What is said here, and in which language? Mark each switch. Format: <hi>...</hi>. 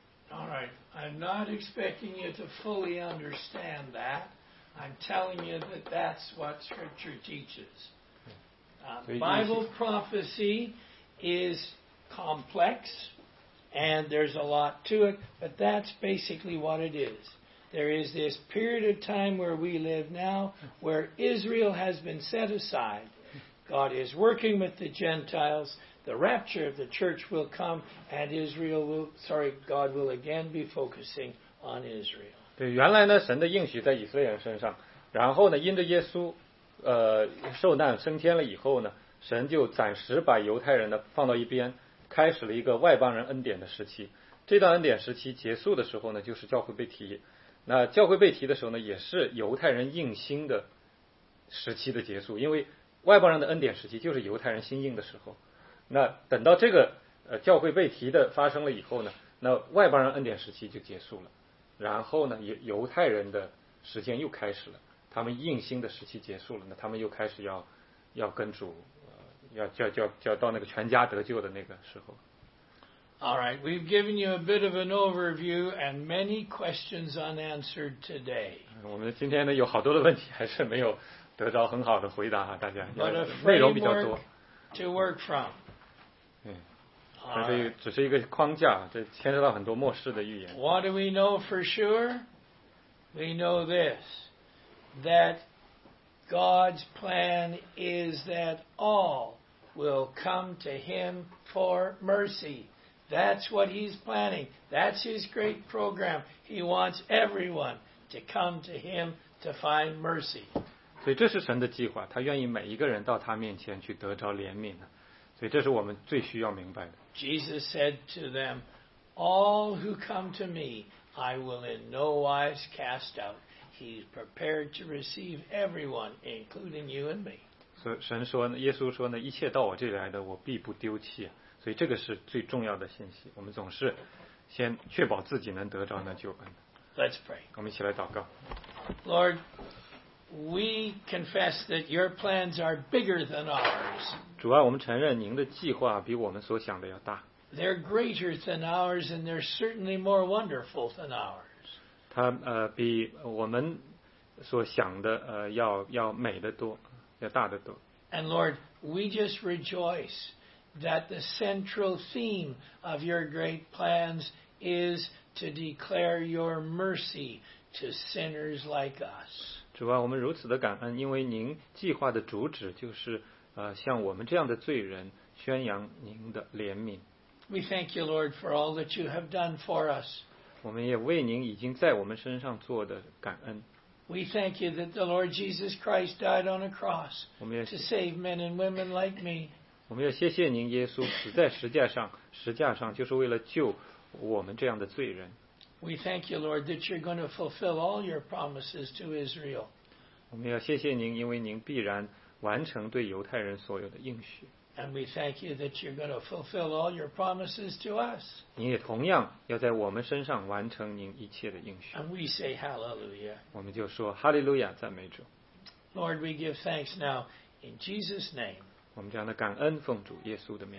<en>All right, I'm not expecting you to fully understand that. I'm telling you that that's what Scripture teaches. Bible prophecy is complex. And there's a lot to it, but that's basically what it is. There is this period of time where we live now, where Israel has been set aside. God is working with the Gentiles. The rapture of the church will come, and Israel will, sorry, God will again be focusing on Israel.</en> <zh>对，原来呢，神的应许在以色列人身上，然后呢，因着耶稣，受难升天了以后呢，神就暂时把犹太人呢放到一边。开始了一个外邦人恩典的时期，这段恩典时期结束的时候呢，就是教会被提。那教会被提的时候呢，也是犹太人硬心的时期的结束，因为外邦人的恩典时期就是犹太人心硬的时候。那等到这个教会被提的发生了以后呢，那外邦人恩典时期就结束了，然后呢，犹太人的时间又开始了，他们硬心的时期结束了，那他们又开始要跟主。要到那个全家得救的那个时候。</zh> <en>All right, we've given you a bit of an overview and many questions unanswered today.</en> <zh>我们今天呢有好多的问题还是没有得到很好的回答啊，大家内容比较多。</zh> <en>To work from.</en> <zh>嗯，这只是一个框架，这牵涉到很多末世的预言。</zh> <en>What do we know for sure? We know this, that God's plan is that all will come to Him for mercy. That's what He's planning. That's His great program. He wants everyone to come to Him to find mercy.</en> <zh>所以这是神的计划，他愿意每一个人到他面前去得着怜悯呢。所以这是我们最需要明白的。</zh> <en>Jesus said to them, "All who come to me, I will in no wise cast out." He's prepared to receive everyone, including you and me.</en> <zh>所以神说呢，耶稣说呢，一切到我这里来的，我必不丢弃。所以这个是最重要的信息。我们总是先确保自己能得着那救恩。</zh> <en>Let's pray.</en> <zh>我们一起来祷告。</zh> <en>Lord, we confess that your plans are bigger than ours.</en> <zh>主啊，我们承认您的计划比我们所想的要大。</zh> <en>They're greater than ours, and they're certainly more wonderful than ours.</en> <zh>它比我们所想的要美得多，要大得多。</zh> <en>And Lord, we just rejoice that the central theme of your great plans is to declare your mercy to sinners like us.</en> <zh>主啊，我们如此的感恩，因为您计划的主旨就是像我们这样的罪人宣扬您的怜悯。</zh> <en>We thank you, Lord, for all that you have done for us.</en> <zh>我们也为您已经在我们身上做的感恩。</zh> <en>We thank you that the Lord Jesus Christ died on a cross to save men and women like me.</en> <zh>我们要谢谢您，耶稣死在十架上，十架上就是为了救我们这样的罪人。</zh> <en>We thank you, Lord, that you're going to fulfill all your promises to Israel.</en> <zh>我们要谢谢您，因为您必然完成对犹太人所有的应许。</zh> <en>And we thank you that you're going to fulfill all your promises to us.</en> <zh>您也同样要在我们身上完成您一切的应许。</zh> <en>And we say hallelujah.</en> <zh>我们就说哈利路亚，赞美主。</zh> <en>Lord, we give thanks now in Jesus' name.</en> <zh>我们这样的感恩奉主耶稣的名。</zh>